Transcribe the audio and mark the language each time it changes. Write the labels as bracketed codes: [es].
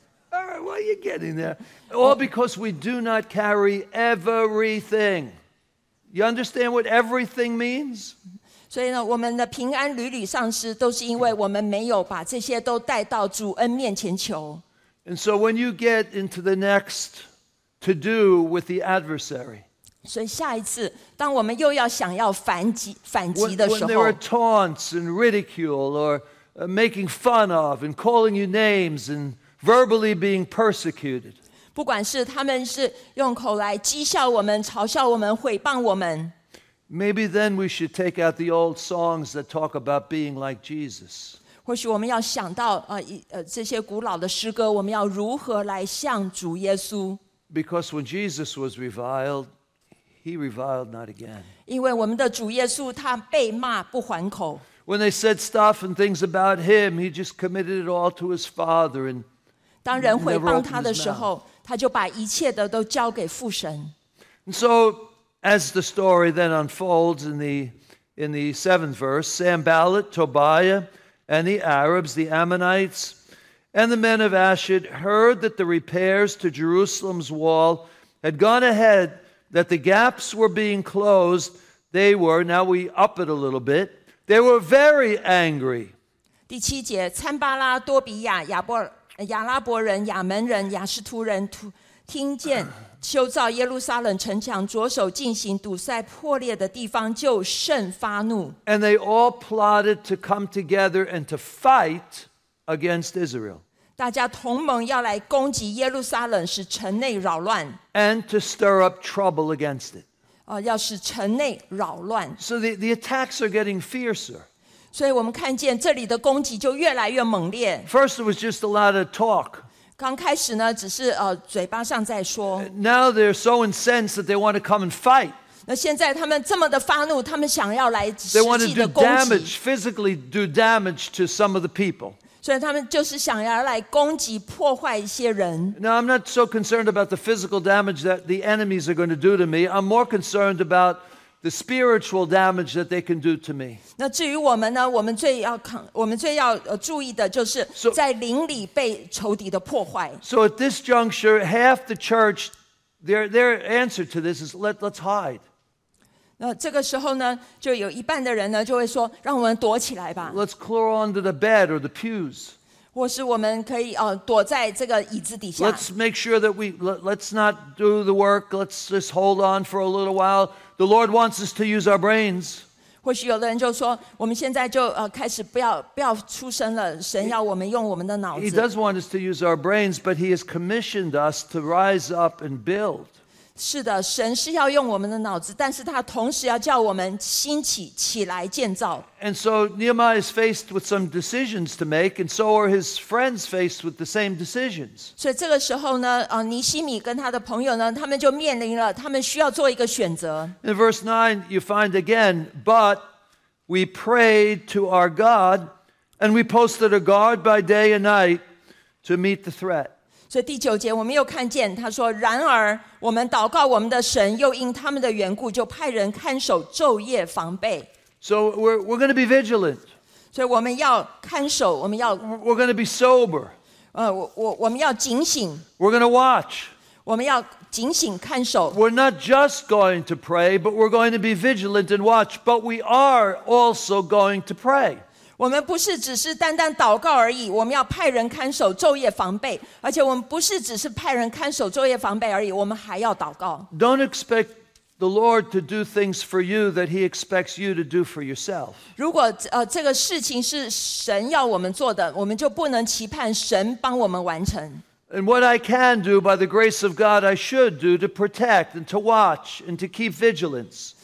[en] Why are you getting there? All because we do not carry everything. You understand what everything means? [zh] 所以呢，我们的平安屡屡丧失，都是因为我们没有把这些都带到主恩面前求。 [en] And so when you get into the next to do with the adversary, [zh] 所以下一次，当我们又要想要反击的时候 [en] ，when there are taunts and ridicule or making fun of and calling you names and verbally being persecuted. [zh] 不管是他们是用口来讥笑我们、嘲笑我们、毁谤我们。 [en] Maybe then we should take out the old songs that talk about being like Jesus. [zh] 或许我们要想到这些古老的诗歌，我们要如何来像主耶稣。 [en] Because when Jesus was reviled, he reviled not again. [zh] 因为我们的主耶稣他被骂不还口。 [en] When they said stuff and things about him, he just committed it all to his father and. [zh] 当人毁谤他的时候，他就把一切的都交给父神。 [en] And so, as the story then unfolds in the seventh verse, Sanballat, Tobiah, and the Arabs, the Ammonites, and the men of Ashdod heard that the repairs to Jerusalem's wall had gone ahead, that the gaps were being closed. They were, now we up it a little bit, they were very angry. [zh] 第七节，参巴拉、多比亚、亚伯尔。亚拉伯人、亚门人、亚士图人听见修造耶路撒冷城墙着手进行堵塞破裂的地方，就甚发怒。 [en] And they all plotted to come together and to fight against Israel. [zh] 大家同盟要来攻击耶路撒冷，使城内扰乱。 [en] And to stir up trouble against it. [zh] 要使城内扰乱。 [en] So the attacks are getting fiercer. [zh] 所以我们看见这里的攻击就越来越猛烈。 [en] First, it was just a lot of talk. [zh] 刚开始呢，只是嘴巴上在说。 [en] Now they're so incensed that they want to come and fight. [zh] 那现在他们这么的发怒，他们想要来实际的攻击。 [en] They want to do damage, physically do damage to some of the people. [zh] 所以他们就是想要来攻击、破坏一些人。 [en] Now I'm not so concerned about the physical damage that the enemies are going to do to me. I'm more concerned about the spiritual damage that they can do to me. [zh] 那至于我们呢？我们最要注意的就是在灵里被仇敌的破坏。 [en] So at this juncture, half the church, their answer to this is let's hide. [zh] 那这个时候呢，就有一半的人呢就会说，让我们躲起来吧。 [en] Let's crawl under the bed or the pews. [zh] 或是我们可以躲在这个椅子底下。 [en] Let's make sure that let's not do the work. Let's just hold on for a little while. The Lord wants us to use our brains. [zh] 或许有的人就说，我们现在就开始不要出声了。神要我们用我们的脑子。 [en] He does want us to use our brains, but He has commissioned us to rise up and build. [zh] 是的，神是要用我们的脑子，但是他同时要叫我们兴起，起来建造。 [en] And so Nehemiah is faced with some decisions to make, and so are his friends faced with the same decisions. [zh] 所以这个时候呢，尼希米跟他的朋友呢，他们就面临了，他们需要做一个选择。 [en] In verse 9, you find again, but we prayed to our God, and we posted a guard by day and night to meet the threat. [zh] 所以第九节我们又看见，他说，然而我们祷告我们的神，又因他们的缘故，就派人看守，昼夜防备。 [en] So we're going to be vigilant. [zh] 所以我们要看守，我们要。 [en] We're going to be sober. [zh] 我们要警醒。 [en] We're going to watch. [zh] 我们要警醒看守。 [en] We're not just going to pray, but we're going to be vigilant and watch. But we are also going to pray. [zh] 我们不是只是单单祷告而已，我们要派人看守，昼夜防备。而且我们不是只是派人看守，昼夜防备而已，我们还要祷告。 [en] Don't expect. The Lord to do things for you that He expects you to do for yourself. [zh] 如果这个事情是神要我们做的，我们就不能期盼神帮我们完成。 [en] And what I can do by the grace of God, I should do to protect and to watch and to keep vigilance.